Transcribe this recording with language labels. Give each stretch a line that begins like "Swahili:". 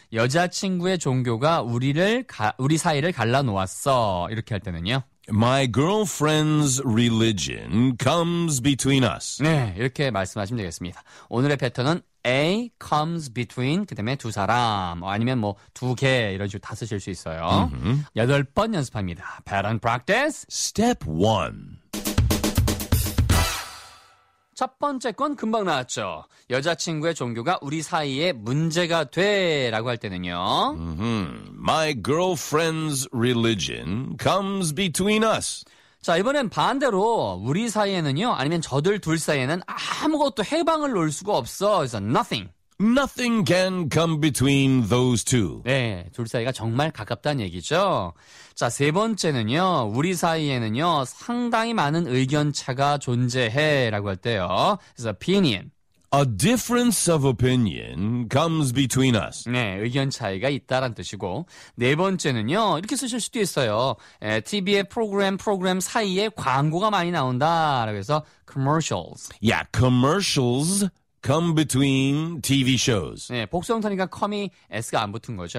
Korean: 여자친구의 종교가 우리 사이를 갈라놓았어. 이렇게 할 때는요.
English: My girlfriend's religion comes between us.
Korean: 네, 이렇게 말씀하시면 되겠습니다. 오늘의 패턴은
English: A comes between,
Korean: 그 다음에 두 사람, 아니면 뭐 두 개, 이런 식으로 다 쓰실 수 있어요. Mm-hmm. 여덟 번 연습합니다.
English: Pattern practice. Step one.
Korean: 첫 번째 건 금방 나왔죠. 여자친구의 종교가 우리 사이에 문제가 돼 라고 할 때는요. Mm-hmm.
English: My girlfriend's religion comes between us.
Korean: 자, 이번엔 반대로 우리 사이에는요. 아니면 저들 둘 사이에는 아무것도 해방을 놓을 수가 없어.
English: So nothing. Nothing can come between those two.
Korean: 네, 둘 사이가 정말 가깝다는 얘기죠. 자, 세 번째는요. 우리 사이에는요. 상당히 많은 의견 차가 존재해 라고 할 때요.
English: It's opinion. A difference of opinion comes between us.
Korean: 네, 의견 차이가 있다란 뜻이고. 네 번째는요. 이렇게 쓰실 수도 있어요. TV의 프로그램 사이에 광고가 많이 나온다. 라고 해서 commercials.
English: Yeah, commercials. Come between TV shows.
Korean: 네, 복수형태니까 come이 S가 안 붙은 거죠.